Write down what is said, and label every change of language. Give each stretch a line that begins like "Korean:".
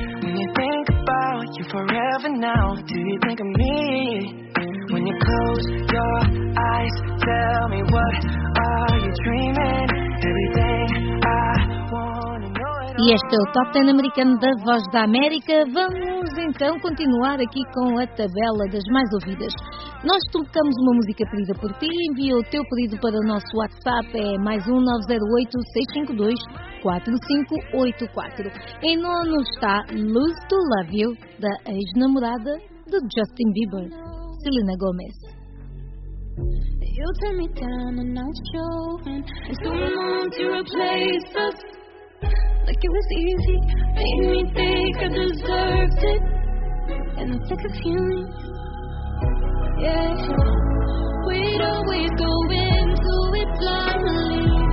English: When you think about you forever now, do you think of me? When you close your eyes, tell me what are you dreaming? Everything I want to know it all.
Portuguese: E este é o Top 10 americano da Voz da América. Vamos então continuar aqui com a tabela das mais ouvidas. Nós tocamos uma música pedida por ti, envia o teu pedido para o nosso WhatsApp, é mais 1-908-652-4584. Em nono está Lose to Love You, da ex-namorada do Justin Bieber, Selena Gomez.
English: You turn me down and now it's showing, and soon I'm on to replace us. Like it was easy, made me think I deserved it, and I'm sick of hearing. Yeah, we'd always go into it blindly.